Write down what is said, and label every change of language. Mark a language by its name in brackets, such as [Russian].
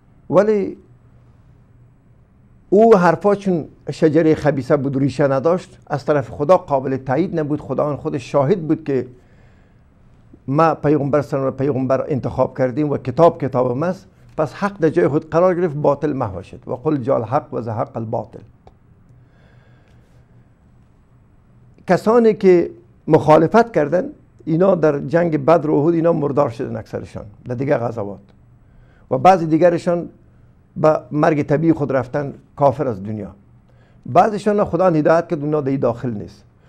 [Persian] ولی او حرفا چون شجره خبیثه بود، ریشه نداشت، از طرف خدا قابل تایید نبود، خدا آن خود شاهد بود که ما پیغمبر سن و پیغمبر انتخاب کردیم و کتاب کتاب ماست، پس حق در جای خود قرار گرفت، باطل محو شد. [Arabic] و قل جاء الحق و زهق الباطل. [Persian] کسانی که مخالفت کردن اینا در جنگ بدر و احد اینا مردار شدن اکثرشان در دیگه غزوات، و بعضی دیگرشان با مرگ طبیعی خود رفتن کافر از دنیا، بعضیشان خدا هدایت کرد اونا در داخل نیست.